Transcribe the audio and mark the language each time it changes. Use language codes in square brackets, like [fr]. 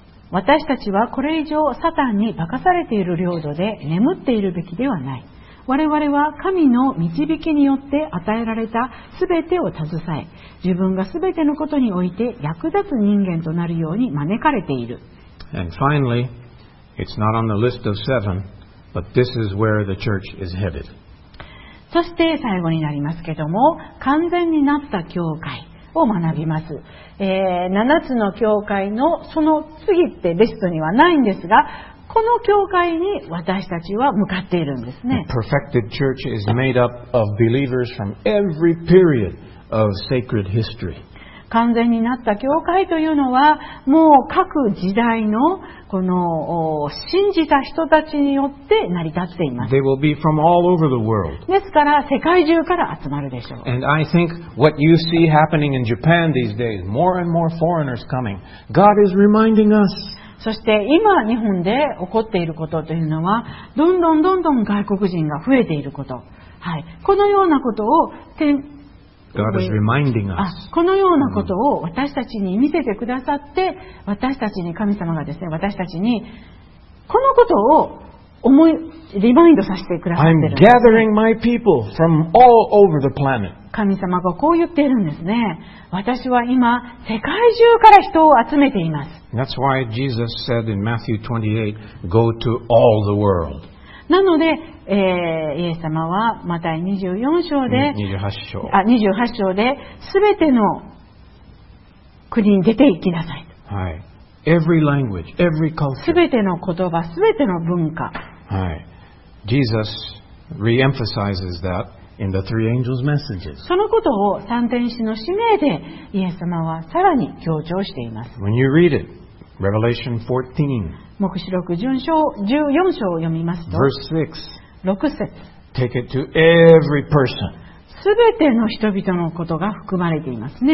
[ja] 私たちはこれ以上サタンに化かされている領土で眠っているべきではない。我々は神の導きによって与えられたすべてを携え、自分がすべてのことにおいて役立つ人間となるように招かれている。 [en] And finally, it's not on the list of seven, but this is where the church is headed. [ja] そして最後になりますけども、完全になった教会。を学びます、7つの教会のその次ってリストにはないんですが、この教会に私たちは向かっているんですね。 [en] Perfected church is made up of believers from every period of sacred history. [ja] 完全になった教会というのはもう各時代のこの信じた人たちによって成り立っています。 [en] They will be from all over the world. [ja] ですから世界中から集まるでしょう。 [en] And I think what you see happening in Japan these days, more and more foreigners coming, God is reminding us. [ja] そして今日本で起こっていることというのは、どんどんどんどん外国人が増えていること。はい。このようなことを [en] God is reminding us. [ja] このようなことを私たちに見せてくださって、私たちに神様がですね、私たちにこのことを思いリマインドさせてくださってるんです。 [en] I'm gathering my people from all over the planet. [ja] 神様がこう言っているんですね。私は今世界中から人を集めています。 [en] That's why Jesus said in Matthew 28, go to all the world. [ja] なので、イエス様はマタイ24章で 28章で全ての国に出て行きなさい、 [en] はい、every language, every culture. [ja] 全ての言葉、全ての文化、 [en] はい、Jesus re-emphasizes that in the three angels' messages. [ja] そのことを三天使の使命でイエス様はさらに強調しています。 [en] When you read it, Revelation 14 [ja] 黙示録14章を読みますと、 [en] Verse [ja] 6節、 [en] Take it to every person. [ja] すべての人々のことが含まれていますね。